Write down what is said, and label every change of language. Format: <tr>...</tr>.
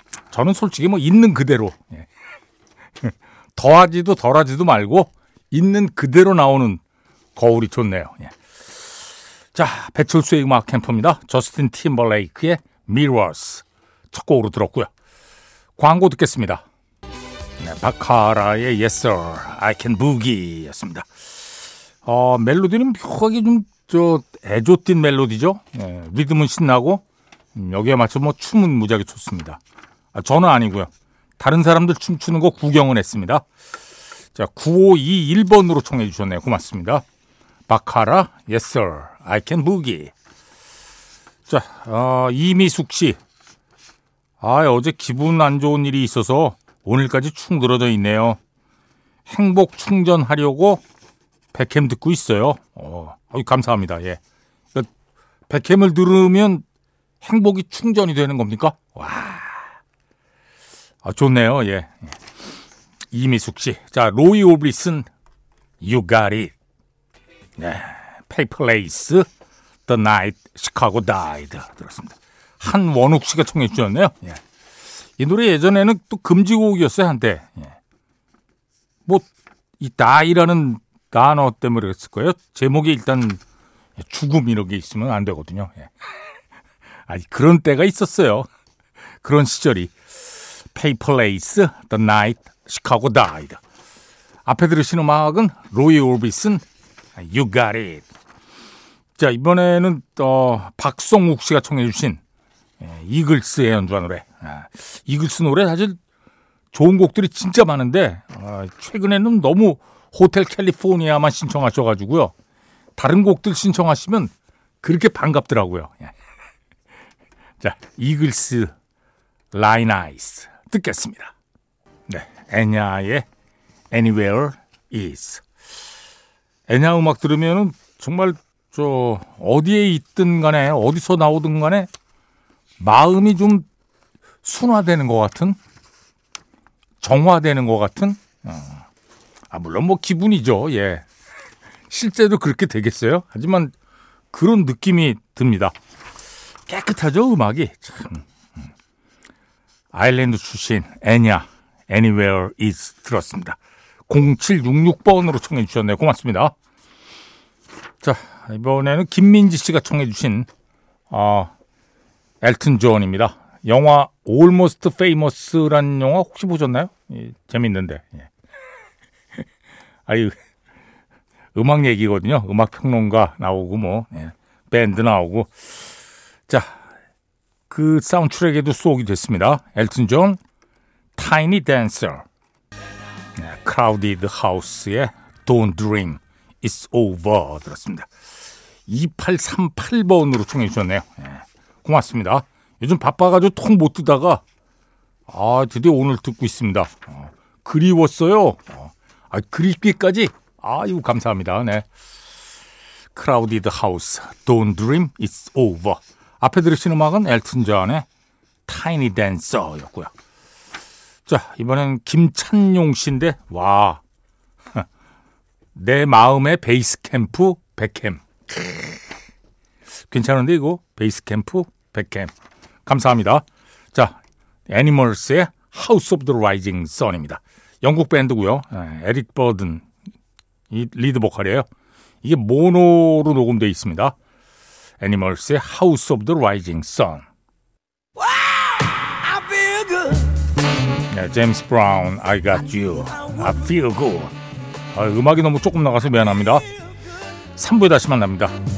<ko>저는 솔직히 뭐 있는 그대로. 예. 더하지도 덜하지도 말고 있는 그대로 나오는 거울이 좋네요. 예. 자, 배철수의 음악 캠프입니다. 저스틴 팀버레이크의 Mirrors 첫 곡으로 들었고요. 광고 듣겠습니다. 네, 바카라의 Yes Sir, I Can Boogie였습니다. 멜로디는 묘하게 좀 저 애조띤 멜로디죠. 네, 리듬은 신나고 여기에 맞춰 뭐 춤은 무지하게 좋습니다. 아, 저는 아니고요. 다른 사람들 춤추는 거 구경은 했습니다. 자, 9521번으로 청해 주셨네요. 고맙습니다. 바카라, Yes Sir, I Can Boogie. 자, 이미숙 씨. 아, 어제 기분 안 좋은 일이 있어서 오늘까지 충들어져 있네요. 행복 충전하려고 백캠 듣고 있어요. 감사합니다. 예. 백캠을 들으면 행복이 충전이 되는 겁니까? 와. 아, 좋네요. 예. 이미숙 씨. 자, 로이 오블리슨, You Got It. 네. Paper Lace, The Night Chicago Died. 들었습니다. 한원욱 씨가 청해 주셨네요. 예. 이 노래 예전에는 또 금지곡이었어요, 한때. 예. 뭐, 이 die라는 단어 때문에 그랬을 거예요. 제목에 일단 죽음 이런 게 있으면 안 되거든요. 예. 아니, 그런 때가 있었어요. 그런 시절이. Paper Lace, The Night, Chicago Died. 앞에 들으신 음악은 로이 오비슨, You Got It. 자, 이번에는 박성욱 씨가 청해 주신 이글스의 연주한 노래. 이글스 노래 사실 좋은 곡들이 진짜 많은데 최근에는 너무 호텔 캘리포니아만 신청하셔가지고요. 다른 곡들 신청하시면 그렇게 반갑더라고요. 자, 이글스 라인 아이스 듣겠습니다. 네, 애냐의 Anywhere Is. 애냐 음악 들으면 정말 저 어디에 있든 간에 어디서 나오든 간에 마음이 좀 순화되는 것 같은, 정화되는 것 같은, 아, 물론 뭐 기분이죠. 예. 실제로 그렇게 되겠어요. 하지만 그런 느낌이 듭니다. 깨끗하죠, 음악이. 참. 아일랜드 출신, 애냐, Anywhere is 들었습니다. 0766번으로 청해 주셨네요. 고맙습니다. 자, 이번에는 김민지 씨가 청해 주신 엘튼 존입니다. 영화 Almost Famous라는 영화 혹시 보셨나요? 예, 재밌는데. 예. 아유, 음악 얘기거든요. 음악 평론가 나오고 뭐 예, 밴드 나오고. 자, 그 사운드트랙에도 수록이 됐습니다. 엘튼 존, Tiny Dancer. 예, Crowded House의 Don't Dream It's Over 들었습니다. 2838번으로 청해 주셨네요. 예, 고맙습니다. 요즘 바빠가지고 통 못 뜨다가 드디어 오늘 듣고 있습니다. 그리웠어요. 그립기까지. 아유, 감사합니다. 네. Crowded House, Don't Dream It's Over. 앞에 들으신 음악은 엘튼 존의 Tiny Dancer였고요. 자, 이번엔 김찬용 씨인데, 와, 내 마음의 베이스 캠프 백햄. 괜찮은데 이거? 베이스 캠프 백햄. 감사합니다. 자, 애니멀스의 House of the Rising Sun입니다. 영국 밴드고요. 에릭 버든 이 리드 보컬이에요. 이게 모노로 녹음되어 있습니다. 애니멀스의 House of the Rising Sun.</ko> <en>Wow, I feel good. Yeah, James Brown, I got you. I feel good.</en> <ko>음악이 너무 조금 나가서 미안합니다. 3부에 다시 만납니다.</ko>